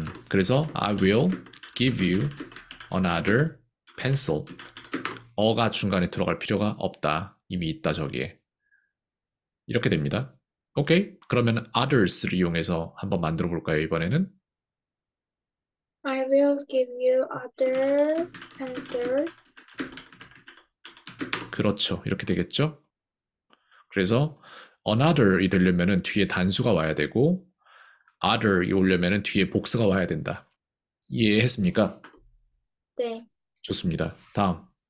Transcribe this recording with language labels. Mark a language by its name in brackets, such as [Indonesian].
[Korean] 그래서 [English] I will give you another pencil. [Korean] 어가 중간에 들어갈 필요가 없다. 이미 있다, 저기에. 이렇게 됩니다. 오케이? 그러면 others를 이용해서 한번 만들어 볼까요, 이번에는? [English] I will give you other answers. [Korean] 그렇죠. 이렇게 되겠죠? 그래서 another이 되려면은 뒤에 단수가 와야 되고 other이 오려면 뒤에 복수가 와야 된다. 이해했습니까? 네. 좋습니다. 다음.